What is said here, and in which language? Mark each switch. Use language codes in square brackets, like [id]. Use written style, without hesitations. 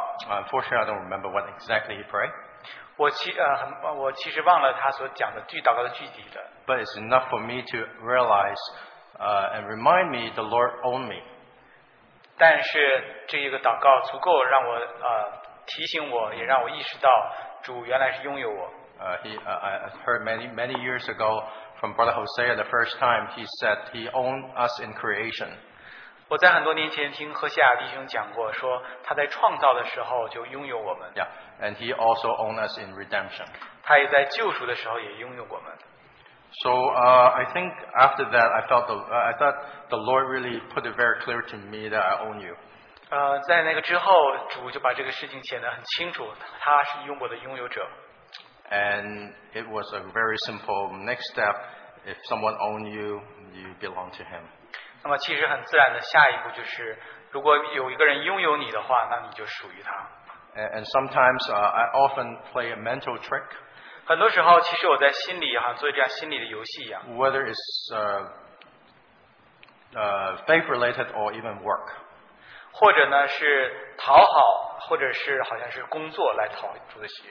[en] Unfortunately, I don't remember what exactly he prayed. But it's enough for me to realize and remind me the Lord owned me. [zh] 但是这一个祷告足够让我, 提醒我, 也让我意识到, [en] I heard many years ago from Brother Hosea the first time he said he owned us in creation. [zh] 我在很多年前听何西亚弟兄讲过, 说他在创造的时候就拥有我们。 [en] Yeah, and he also owned us in redemption. [zh] 他也在救赎的时候也拥有我们。 [en] So I think after that I thought the Lord really put it very clear to me that I own you. [zh] 在那个之后, 主就把这个事情显得很清楚, 他是拥我的拥有者。 [en] And it was a very simple next step. If someone owned you, you belong to him. [zh] 那么其实很自然的, 下一步就是, 如果有一个人拥有你的话, 那你就属于他。 [en] And sometimes I often play a mental trick. [zh] 很多时候其实我在心里, 做这样心理的游戏一样, [en] whether it's faith related or even work. [zh] 或者呢, 是讨好, 或者是好像是工作, 来讨主的喜,